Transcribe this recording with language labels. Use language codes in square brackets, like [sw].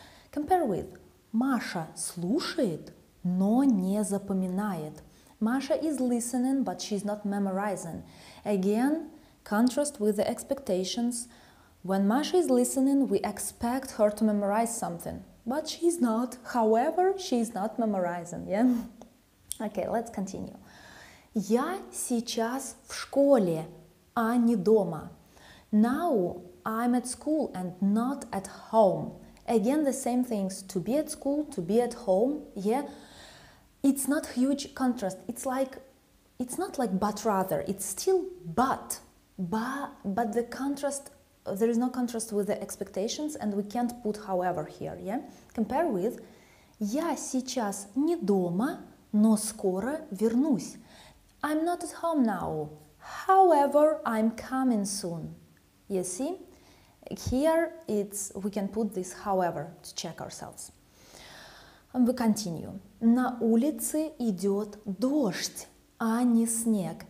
[en] Compare with [ru] Маша слушает, но не запоминает. [en] Маша is listening, but she's not memorizing. Again, contrast with the expectations. When Маша is listening, we expect her to memorize something, but she's not. However, she's not memorizing, yeah? Okay, let's continue. [ru] Я сейчас в школе, а не дома. [en] Now I'm at school and not at home. Again, the same things, to be at school, to be at home, yeah? It's not huge contrast. It's like, it's not like but rather, it's still but the contrast, there is no contrast with the expectations, and we can't put however here, yeah? Compare with [ru] Я сейчас не дома, но скоро вернусь. [en] I'm not at home now, however, I'm coming soon, you see? Here, it's we can put this however to check ourselves. And we continue. [ru] На улице идет дождь, а не снег.